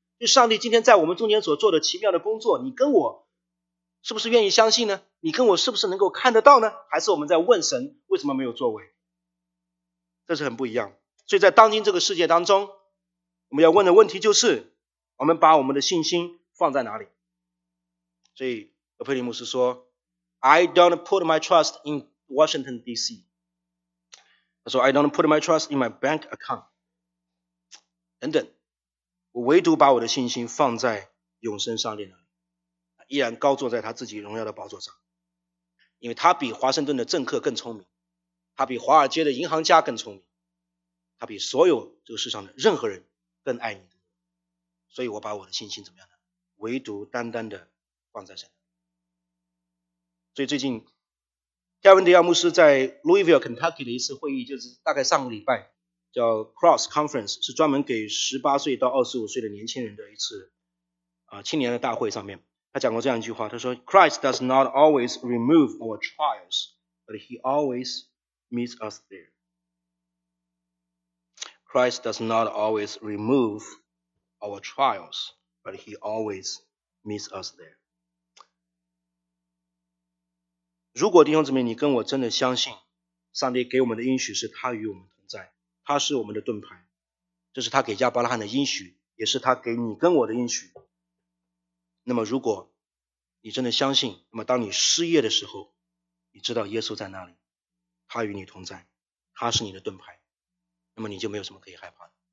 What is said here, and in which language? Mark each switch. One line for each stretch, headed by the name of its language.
Chinese: 就上帝今天在我们中间所做的奇妙的工作，你跟我是不是愿意相信呢？你跟我是不是能够看得到呢？还是我们在问神为什么没有作为？这是很不一样。所以在当今这个世界当中，我们要问的问题就是，我们把我们的信心放在哪里？所以葛佩里牧师说，
English: I don't put my trust in Washington DC.
Chinese: 他说
English: I don't put my trust in my bank account.
Chinese: 等等，我唯独把我的信心放在永生上帝那里，依然高坐在他自己荣耀的宝座上，因为他比华盛顿的政客更聪明，他比华尔街的银行家更聪明，他比所有这个世上的任何人更爱你。所以我把我的信心怎么样呢？唯独单单的放在神。所以最近加文迪亚牧师在 Louisville, Kentucky 的一次会议，就是大概上个礼拜，叫 Cross Conference, 是专门给18岁到25岁的年轻人的一次青年的大会上面，他讲过这样一句话，他说
English: Christ does not always remove our trials, but he always meets us there. Christ does not always remove our trials, but he always meets us there.
Chinese: 如果弟兄姊妹你跟我真的相信上帝给我们的应许是他与我们同在，他是我们的盾牌，这是他给亚伯拉罕的应许，也是他给你跟我的应许，那么如果你真的相信，那么当你失业的时候，你知道耶稣在那里，他与你同在，他是你的盾牌，那么你就没有什么可以害怕的。